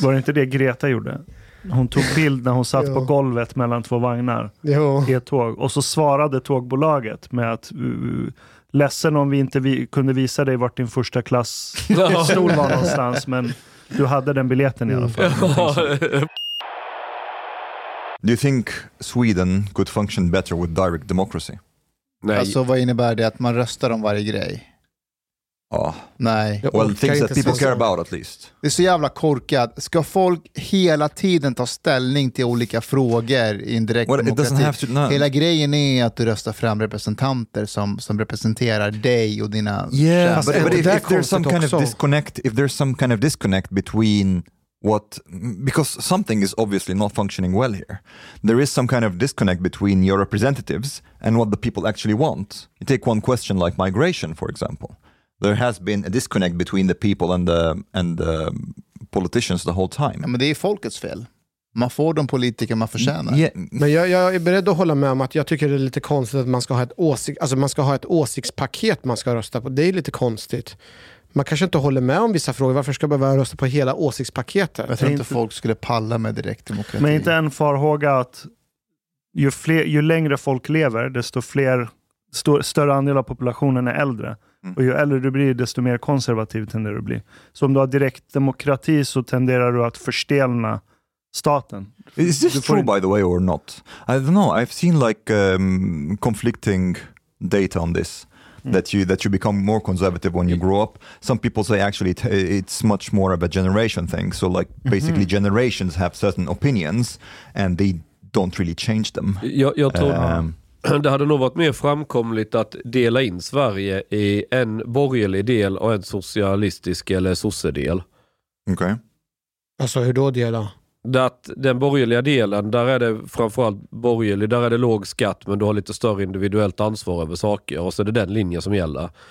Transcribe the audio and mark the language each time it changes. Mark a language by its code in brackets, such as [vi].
[sv] Var det inte det Greta gjorde? Hon tog bild när hon satt på golvet mellan 2 vagnar i ett tåg. Och så svarade tågbolaget med att ledsen om vi inte kunde visa dig vart din första klass stol var någonstans. Men du hade den biljetten i alla fall. [en] Do you think Sweden could function better with direct democracy? [sv] Nej. Alltså vad innebär det, att man röstar om varje grej? Nej. [en] Well, things that people care about at least. [sv] Det är så jävla korkat. Ska folk hela tiden ta ställning till olika frågor i en direkt demokrati? Hela grejen är att du röstar fram representanter som representerar dig och dina. [en] Yeah, but if there's some kind of disconnect, if there's some kind of disconnect between what, because something is obviously not functioning well here. There is some kind of disconnect between your representatives and what the people actually want. You take one question like migration, for example. There has been a disconnect between the people and the politicians the whole time. [sv] Ja, men det är folkets fel. Man får de politiker man förtjänar. [en] Yeah. [sv] Men jag är beredd att hålla med om att jag tycker det är lite konstigt att man ska ha ett åsiktspaket man ska rösta på. Det är lite konstigt. Man kanske inte håller med om vissa frågor. Varför ska man behöva rösta på hela åsiktspaketet? Jag tror inte folk skulle palla med direktdemokrati. Men inte en farhåga att ju längre folk lever, desto fler, större andel av populationen är äldre. Mm. Och ju äldre du blir, desto mer konservativ tenderar du att bli. Så om du har direkt demokrati så tenderar du att förstelna staten. [en] Is this true by the way or not? I don't know. I've seen like conflicting data on this. That you become more conservative when you grow up. Some people say actually it's much more of a generation thing. So like basically generations have certain opinions and they don't really change them. [sv] Jag tror det hade nog varit mer framkomligt att dela in Sverige i en borgerlig del och en socialistisk eller sossedel. Okej. Okay. Alltså hur då dela? Att den borgerliga delen, där är det framförallt borgerlig, där är det låg skatt men du har lite större individuellt ansvar över saker och så är det den linjen som gäller.